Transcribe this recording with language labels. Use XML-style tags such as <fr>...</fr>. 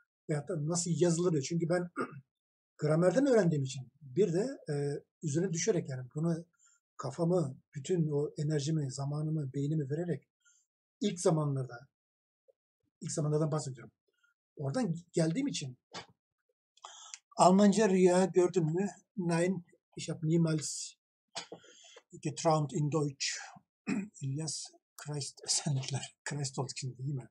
<tr>Veyahut da nasıl yazılır diyor. Çünkü ben gramerden öğrendiğim için bir de üzerine düşerek yani bunu kafamı, bütün o enerjimi, zamanımı, beynimi vererek ilk zamanlardan bahsediyorum. Oradan geldiğim için Almanca rüya gördün mü?</tr> <de>Nein, ich habe niemals geträumt in Deutsch.</de> <tr>İlyas Christ esenlikler. Christ olsun şimdi değil mi?</tr>